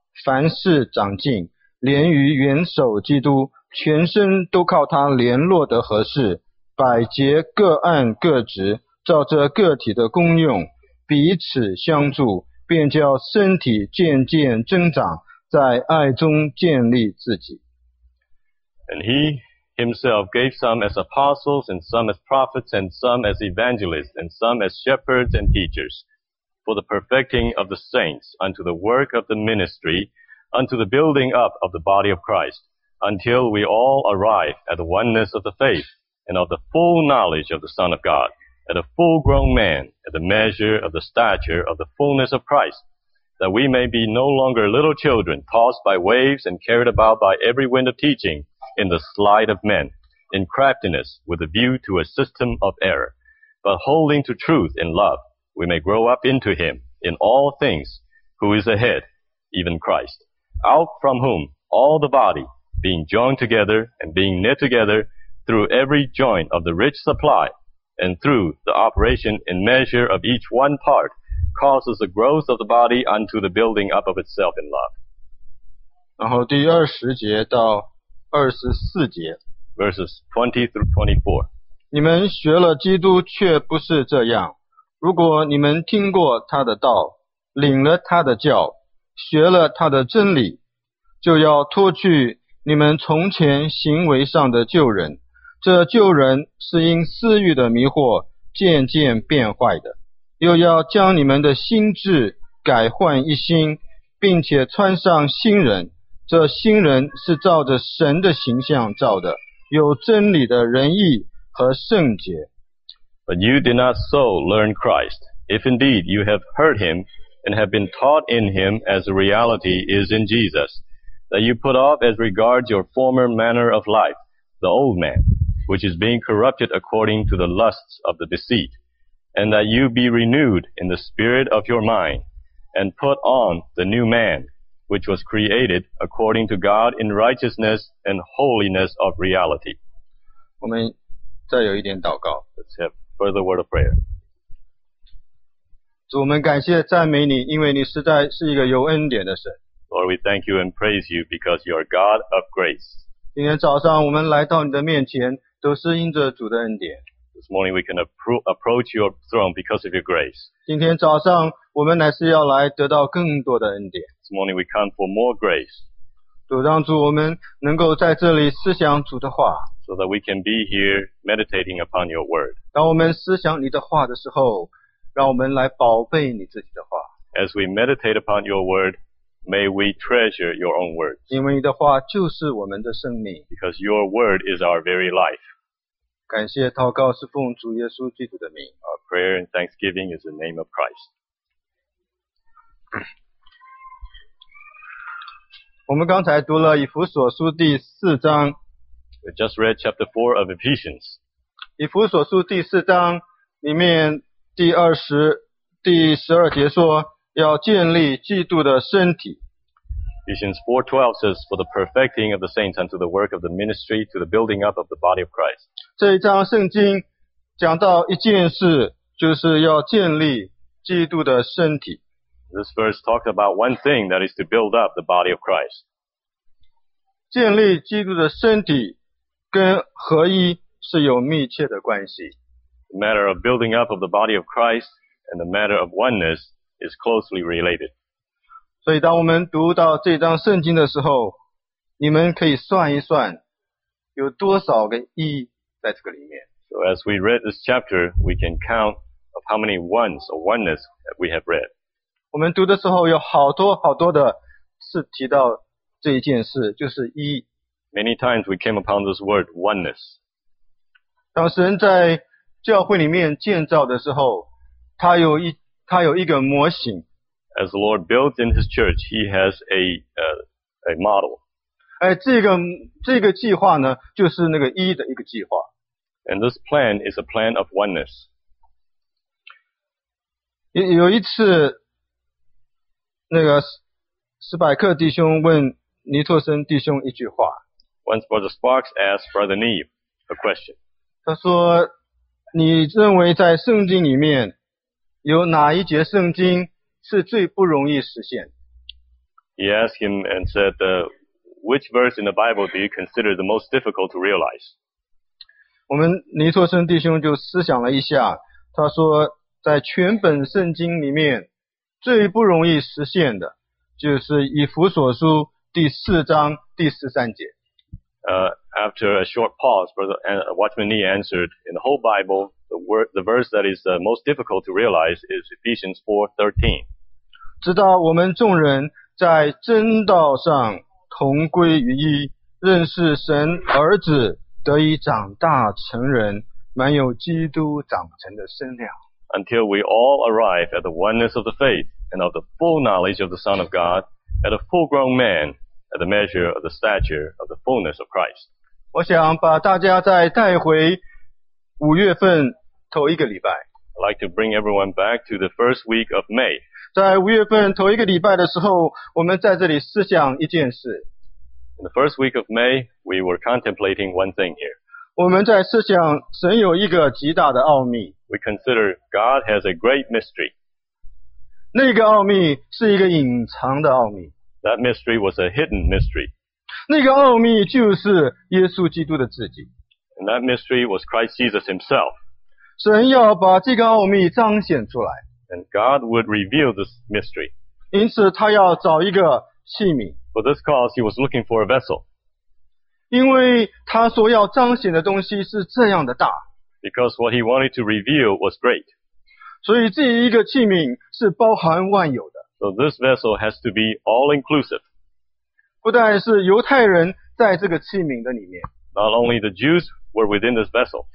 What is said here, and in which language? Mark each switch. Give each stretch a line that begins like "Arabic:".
Chinese: 凡事长进，连于元首基督，全身都靠他联络得合适，百节各按各职，照着个体的功用彼此相助，便叫身体渐渐增长，在爱中建立自己。
English: And he himself gave some as apostles, and some as prophets, and some as evangelists, and some as shepherds and teachers, for the perfecting of the saints, unto the work of the ministry, unto the building up of the body of Christ, until we all arrive at the oneness of the faith, and of the full knowledge of the Son of God, at a full-grown man, at the measure of the stature of the fullness of Christ, that we may be no longer little children, tossed by waves and carried about by every wind of teaching, in the sleight of men, in craftiness, with a view to a system of error, but holding to truth in love, we may grow up into him in all things, who is the head, even Christ, out from whom all the body, being joined together and being knit together through every joint of the rich supply, and through the operation and measure of each one part, causes the growth of the body unto the building up of itself in love.
Chinese: 然后第二十节到二十四节。
English: Verses 20 through 24.
Chinese: 你们学了基督却不是这样。如果你们听过他的道，领了他的教，学了他的真理，就要脱去你们从前行为上的旧人，这旧人是因私欲的迷惑渐渐变坏的，又要将你们的心智改换一新，并且穿上新人，这新人是照着神的形象造的，有真理的仁义和圣洁。
English: But you did not so learn Christ, if indeed you have heard him and have been taught in him as the reality is in Jesus, that you put off as regards your former manner of life, the old man, which is being corrupted according to the lusts of the deceit, and that you be renewed in the spirit of your mind, and put on the new man, which was created according to God in righteousness and holiness of reality.
Chinese: 我们再有一点祷告。
English: Let's have further word of prayer.
Chinese: 主，我们感谢赞美你，因为你实在是一个有恩典的神。
English: Lord, we thank you and praise you because you are God of grace.
Chinese: 今天早上我们来到你的面前，都是因着主的恩典。
English: This morning we can approach your throne because of your grace.
Chinese: 今天早上我们乃是要来得到更多的恩典。
English: This morning we come for more grace.
Chinese: 主让主我们能够在这里思想主的话。
English: So that we can be here meditating upon your word.
Chinese: 当我们思想你的话的时候，让我们来宝贝你自己的话。
English: As we meditate upon your word, may we treasure your own words.
Chinese: 因为你的话就是我们的生命。
English: Because your word is our very life.
Chinese: 感谢祷告是奉主耶稣基督的名。
English: Our prayer and thanksgiving is the name of Christ.
Chinese: 我们刚才读了以弗所书第四章。
English: We just read chapter 4 of Ephesians.
Chinese: 以弗所书第四章里面第二十、第十二节说要建立基督的身体。
English: Ephesians 4:12 says, For the perfecting of the saints unto the work of the ministry, to the building up of the body of Christ.
Chinese: 这一章圣经讲到一件事，就是要建立基督的身体。
English: This verse talks about one thing, that is to build up the body of Christ.
Chinese: 建立基督的身体跟合一是有密切的关系。
English: The matter of building up of the body of Christ and the matter of oneness is closely related.
Chinese: 所以当我们读到这张圣经的时候，你们可以算一算有多少个一在这个里面。
English: So as we read this chapter, we can count of how many ones or oneness that we have read.
Chinese: 我们读的时候有好多好多的是提到这一件事，就是一。
English: Many times we came upon this word oneness.
Chinese: 当神在教会里面建造的时候，他有一个模型。
English: As the Lord builds in His church, He has a model.
Chinese: 哎，这个计划呢，就是那个一的一个计划。
English: And this plan is a plan of oneness.
Chinese: 有一次，那个斯柏克弟兄问尼托森弟兄一句话。
English: Once Brother Sparks asked Brother Neve a question.
Chinese: 他说，你认为在圣经里面有哪一节圣经是最不容易实现？
English: He asked him and said, which verse in the Bible do you consider the most difficult to realize?
Chinese: 我们尼托森弟兄就思想了一下，他说在全本圣经里面最不容易实现的就是以弗所书第四章第十三节。
English: After a short pause, Brother Watchman Nee answered, in the whole Bible, the verse that is most difficult to realize is Ephesians 4:13.
Chinese: 直到我们众人在真道上同归于一，认识神儿子，得以长大成人，满有基督长成的身量。
English: Until we all arrive at the oneness of the faith and of the full knowledge of the Son of God, at a full grown man,at the measure of the stature of the fullness of Christ.
Chinese: 我想把大家再带回五月份头一个礼拜。
English: I'd like to bring everyone back to the first week of May.
Chinese: 在五月份头一个礼拜的时候，我们在这里思想一件事。
English: In the first week of May, we were contemplating one thing here.
Chinese: 我们在思想神有一个极大的奥秘。
English: We consider God has a great mystery.
Chinese: 那个奥秘是一个隐藏的奥秘。
English: That mystery was a hidden mystery.
Chinese: 那个奥秘就是耶稣基督的自己。
English: And that mystery was Christ Jesus himself.
Chinese: 神要把这个奥秘彰显出来。
English: And God would reveal this mystery.
Chinese: 因此他要找一个器皿。
English: For this cause, he was looking for a vessel.
Chinese: 因为他所要彰显的东西是这样的大。
English: Because what he wanted to reveal was great.
Chinese: 所以这一个器皿是包含万有的。
English: So this vessel has to be all-inclusive.
Chinese: 不但是犹太人在这个器皿的里面。
English: Not only the Jews were within this vessel.